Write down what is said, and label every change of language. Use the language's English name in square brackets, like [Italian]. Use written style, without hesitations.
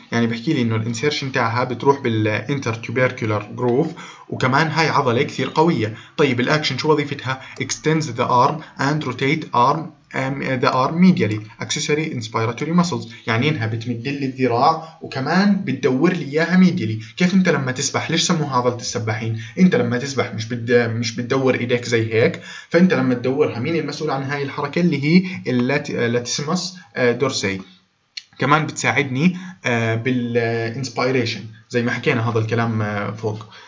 [Arabic] يعني بحكي لي انه الانسيرشن تاعها بتروح بالانتر تيوبيركولر جروف، وكمان هاي عضله كثير قويه. طيب الاكشن شو وظيفتها؟ [English] extends the arm and rotate arm the arm medially accessory inspiratory muscles. [Arabic] يعني انها بتمد لي الذراع وكمان بتدور لي اياها medially. كيف انت لما تسبح، ليش سموها عضله السباحين؟ انت لما تسبح مش بتدور ايديك زي هيك، فانت لما تدورها مين المسؤول عن هاي الحركه؟ اللي هي اللاتسماس دورسي. كمان بتساعدني بالانسبيريشن زي ما حكينا هذا الكلام فوق.